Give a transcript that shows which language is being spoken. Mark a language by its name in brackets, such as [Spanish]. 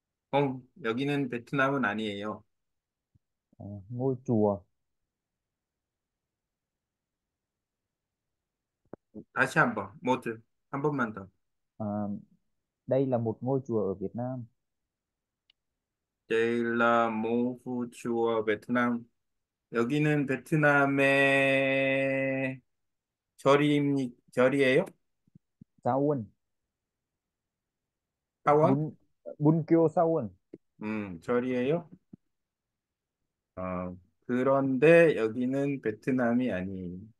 [Vietnamese] Không, [Korean] 여기는 베트남은 아니에요. [Vietnamese] Ngôi chùa. [Korean] 다시 한 번, 모두, 한 번만 더. [Vietnamese] Đây là một ngôi chùa ở Việt Nam. Đây là một vũ chùa Việt Nam. [Korean] 여기는 베트남의 절이, 절이에요? 사원 사원? 문 문교 사원 절이에요? 그런데 여기는 베트남이 아니에요.